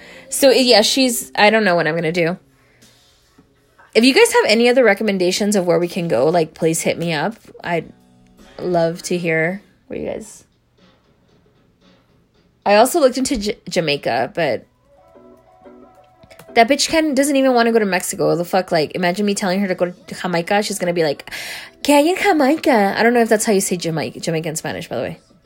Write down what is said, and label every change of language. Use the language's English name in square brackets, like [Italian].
[English] So yeah, I don't know what I'm gonna do. If you guys have any other recommendations of where we can go, like, please hit me up. I'd love to hear where you guys. I also looked into Jamaica, but that bitch doesn't even want to go to Mexico. The fuck, like, imagine me telling her to go to Jamaica. She's gonna be like, [Spanish] ¿qué hay en Jamaica? [English] I don't know if that's how you say Jamaica in Spanish, by the way.